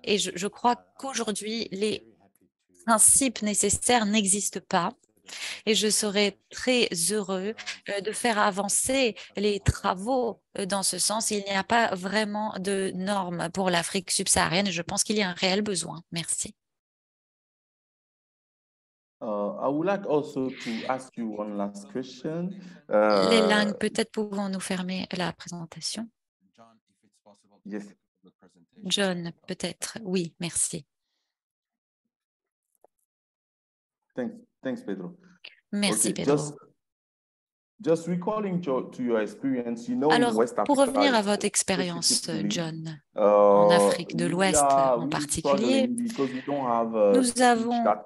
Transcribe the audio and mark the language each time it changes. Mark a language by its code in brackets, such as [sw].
[fr] Et je crois qu'aujourd'hui, les principes nécessaires n'existent pas. Et je serai très heureux de faire avancer les travaux dans ce sens. Il n'y a pas vraiment de normes pour l'Afrique subsaharienne. Je pense qu'il y a un réel besoin. Merci. [en] I would like also to ask you one last question. [fr] Les langues, peut-être pouvons-nous fermer la présentation? [en] John, if it's possible, yes. [fr] John, peut-être. Oui, merci. [en] Thanks, Pedro. [fr] Merci, okay, Pedro. [en] Just recalling to your experience, you know, [fr] alors, [en] in West Africa, [fr] pour revenir à votre expérience, John, en Afrique de l'Ouest en particulier, nous avons